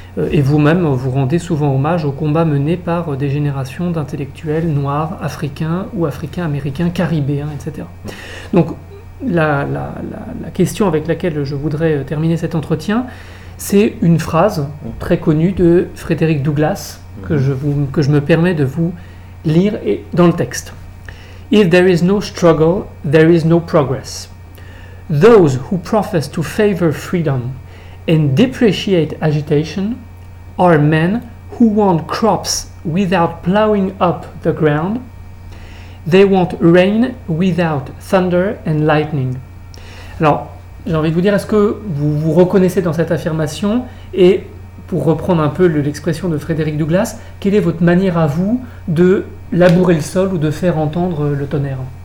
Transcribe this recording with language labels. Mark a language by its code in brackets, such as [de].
[fr] Et vous-même, vous rendez souvent hommage au combat mené par des générations d'intellectuels noirs, africains ou africains-américains, caribéens, etc. Donc, la question avec laquelle je voudrais terminer cet entretien, c'est une phrase très connue de Frédéric Douglass, que je me permets de vous lire dans le texte. [en] « If there is no struggle, there is no progress. Those who profess to favor freedom and depreciate agitation are men who want crops without plowing up the ground. They want rain without thunder and lightning. [fr] » Alors, j'ai envie de vous dire, est-ce que vous vous reconnaissez dans cette affirmation? Et pour reprendre un peu l'expression de Frédéric Douglass, quelle est votre manière à vous de labourer le sol ou de faire entendre le tonnerre?